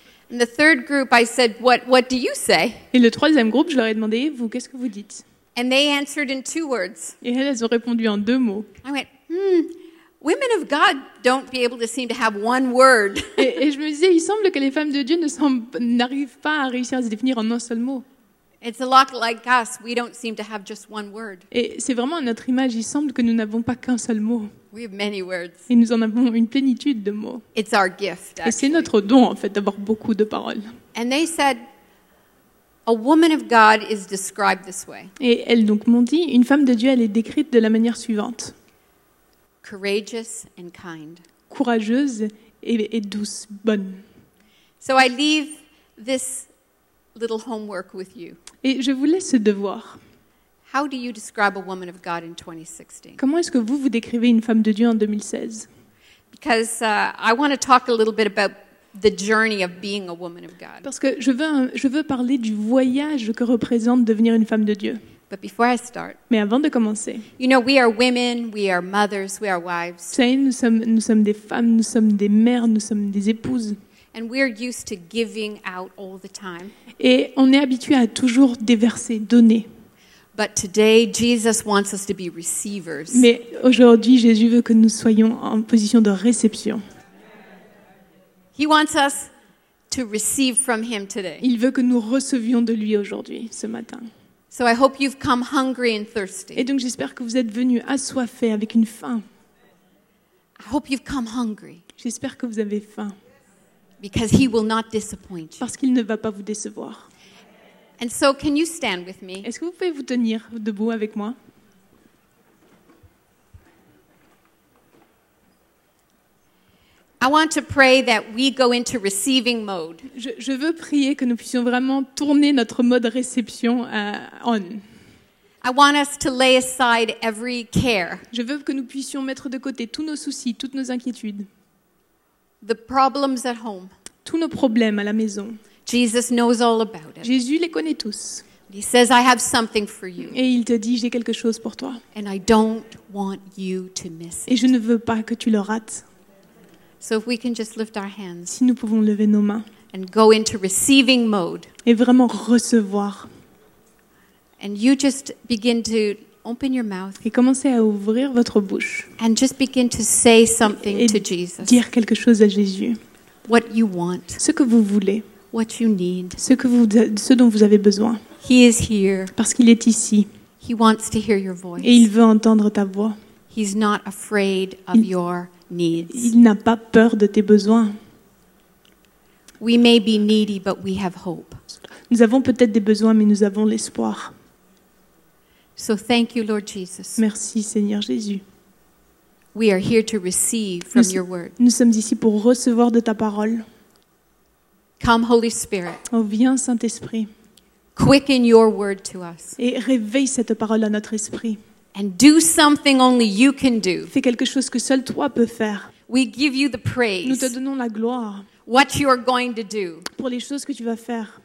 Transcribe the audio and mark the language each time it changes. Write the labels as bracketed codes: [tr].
[en] And the third group, I said, what do you say? [fr] Et le troisième groupe, je leur ai demandé, vous, qu'est-ce que vous dites? [en] And they answered in two words. [fr] Et elles ont répondu en deux mots. [en] I went, Women of God don't be able to seem to have one word. [fr] Et je me disais, il semble que les femmes de Dieu n'arrivent pas à réussir à se définir en un seul mot. [en] It's a lot like us. We don't seem to have just one word. [fr] Et c'est vraiment à notre image. Il semble que nous n'avons pas qu'un seul mot. [en] We have many words. [fr] Et nous en avons une plénitude de mots. [en] It's our gift. [fr] Et c'est notre don en fait d'avoir beaucoup de paroles. [en] And they said, a woman of God is described this way. [fr] Et elles donc m'ont dit, une femme de Dieu, elle est décrite de la manière suivante. [en] Courageous and kind. [fr] Courageuse et douce, bonne. [en] So I leave this little homework with you. [fr] Et je vous laisse ce devoir. [en] How do you describe a woman of God in 2016? [fr] Comment est-ce que vous décrivez une femme de Dieu en 2016? [en] Because I want to talk a little bit about the journey of being a woman of God. [fr] Parce que je veux parler du voyage que représente devenir une femme de Dieu. [en] But before I start, [fr] mais avant de commencer, [en] you know, we are women, we are mothers, we are wives. [fr] Vous savez, nous sommes des femmes, nous sommes des mères, nous sommes des épouses. [en] And we are used to giving out all the time. [fr] Et on est habitué à toujours déverser, donner. [en] But today, Jesus wants us to be receivers. [fr] Mais aujourd'hui, Jésus veut que nous soyons en position de réception. [en] He wants us to receive from him today. [fr] Il veut que nous recevions de lui aujourd'hui, ce matin. [en] So I hope you've come hungry and thirsty. [fr] Et donc j'espère que vous êtes venus assoiffés avec une faim. [en] I hope you've come hungry. [fr] J'espère que vous avez faim. [en] Because he will not disappoint you. [fr] Parce qu'il ne va pas vous décevoir. [en] And so can you stand with me? [fr] Est-ce que vous pouvez vous tenir debout avec moi? [en] I want to pray that we go into receiving mode. [fr] Je veux prier que nous puissions vraiment tourner notre mode réception on. [en] I want us to lay aside every care. [fr] Je veux que nous puissions mettre de côté tous nos soucis, toutes nos inquiétudes. [en] The problems at home. [fr] Tous nos problèmes à la maison. [en] Jesus knows all about it. [fr] Jésus les connaît tous. [en] He says, I have something for you. [fr] Et il te dit, j'ai quelque chose pour toi. [en] And I don't want you to miss it. [fr] Et je ne veux pas que tu le rates. [en] So if we can just lift our hands, [fr] si nous pouvons lever nos mains, [en] and go into receiving mode, [fr] et vraiment recevoir, [en] and you just begin to open your mouth, [fr] et commencez à ouvrir votre bouche, [en] and just begin to say something to Jesus, [fr] dire quelque chose à Jésus. [en] What you want. [fr] Ce que vous voulez. [en] What you need. [fr] Ce dont vous avez besoin. [en] He is here. [fr] Parce qu'il est ici. [en] He wants to hear your voice. [fr] Et il veut entendre ta voix. [en] He's not afraid of your needs. [fr] Il n'a pas peur de tes besoins. [en] We may be needy, but we have hope. [fr] Nous avons peut-être des besoins, mais nous avons l'espoir. [en] So thank you, Lord Jesus. [fr] Merci, Seigneur Jésus. [en] We are here to receive from your word. [fr] Nous sommes ici pour recevoir de ta parole. [en] Come, Holy Spirit. [fr] Oh, viens, Saint-Esprit. [en] Quicken your word to us. [fr] Et réveille cette parole à notre esprit. [en] And do something only you can do. [fr] Fais quelque chose que seul toi peux faire. [en] We give you the praise. [fr] Nous te donnons la gloire. [en] What you are going to do. [fr] Pour les choses que tu vas faire.